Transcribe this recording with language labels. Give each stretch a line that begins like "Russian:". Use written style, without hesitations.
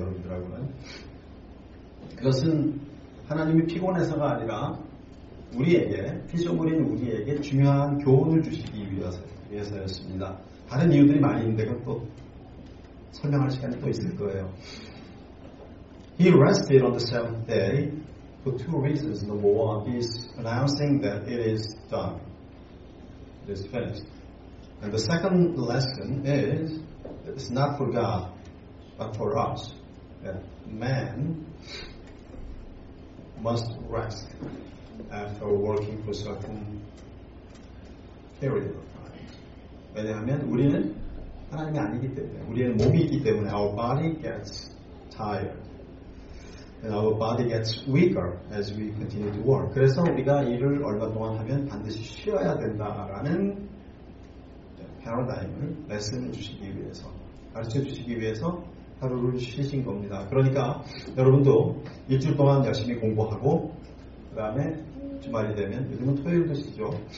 Korean: 여러분들하고는 그것은 하나님이 피곤해서가 아니라 우리에게 피조물인 우리에게 중요한 교훈을 주시기 위해서였습니다. 다른 이유들이 많이 있는데 그것도 설명할 시간이 또 있을 거예요.
English: He rested on the seventh day for two reasons. Number one, he is announcing that it is done. Is finished. And the second lesson is it's not for God, but for us. Yeah. Man must rest after working for certain period of time.
Korean: 왜냐하면 우리는 하나님이 아니기 때문에, 우리는 몸이기 때문에
English: our body gets tired. And our body gets weaker as we continue to work.
Korean: 그래서 우리가 일을 얼마 동안 하면 반드시 쉬어야 된다라는 패러다임을 레슨을 주시기 위해서 가르쳐 주시기 위해서 하루를 쉬신 겁니다. 그러니까 여러분도 일주일 동안 열심히 공부하고 그 다음에 주말이 되면 요즘은 토요일도 쉬죠.